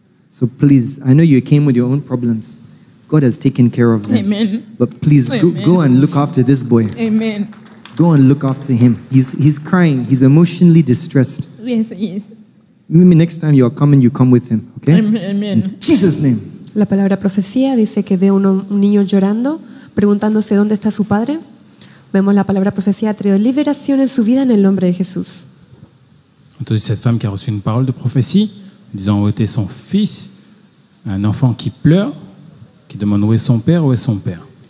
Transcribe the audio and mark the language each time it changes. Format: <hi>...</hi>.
<en>So please, I know you came with your own problems. God has taken care of them. Amen. But please, go and look after this boy. Amen. Go and look after him. He's crying. He's emotionally distressed. Yes, he is. Maybe next time you are coming, you come with him, okay? Amen. In Jesus' name.</en> <es>La palabra profecía dice que ve un niño llorando, preguntándose dónde está su padre. Vemos la palabra profecía traído liberación en su vida en el nombre de Jesús. Entonces</es> <fr>cette femme qui a reçu une parole de prophétie disant où était son fils, un enfant qui pleure, qui demande où est son père, où est son père.</fr>